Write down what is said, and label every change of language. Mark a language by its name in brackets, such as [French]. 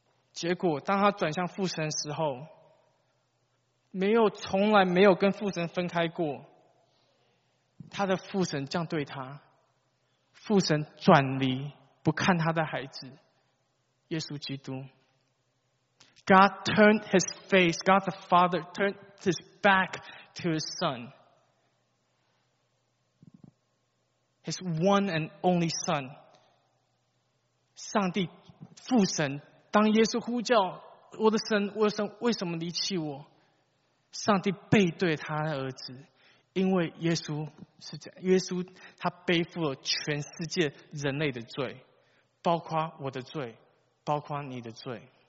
[Chinese] 结果当他转向父神的时候，没有，从来没有跟父神分开过，他的父神这样对他，父神转离不看他的孩子耶稣基督。 [English] God turned his face, God the Father turned his back to his son, his one and only son. [Chinese] 上帝父神，当耶稣呼叫我的神我的神为什么离弃我，上帝背对他的儿子，因为耶稣是这样，耶稣他背负了全世界人类的罪，包括我的罪，包括你的罪。